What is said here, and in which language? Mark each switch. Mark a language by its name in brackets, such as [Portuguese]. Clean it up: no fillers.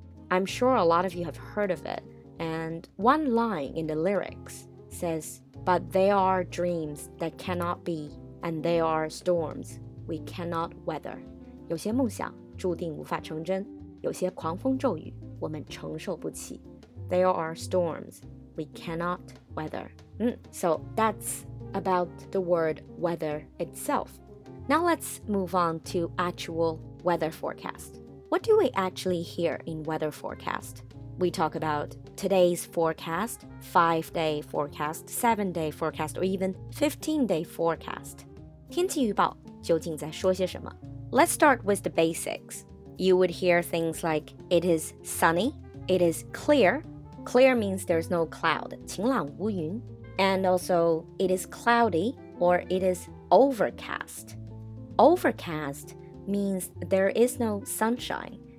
[English] I'm sure a lot of you have heard of it, and one line in the lyrics says, But there are dreams that cannot be, and there are storms we cannot weather. [Chinese] 有些梦想注定无法成真，有些狂风骤雨我们承受不起。 [English] There are storms we cannot weather. So that's about the word weather itself. Now let's move on to actual weather forecast. What do we actually hear in weather forecast? We talk about today's forecast, 5-day forecast, 7-day forecast, or even 15-day forecast. [Chinese] 天气预报究竟在说些什么? [English] Let's start with the basics. You would hear things like, it is sunny, it is clear. Clear means there's no cloud, [Chinese] 晴朗无云. [English] And also, it is cloudy, or it is overcast. Overcast,means there is no sunshine.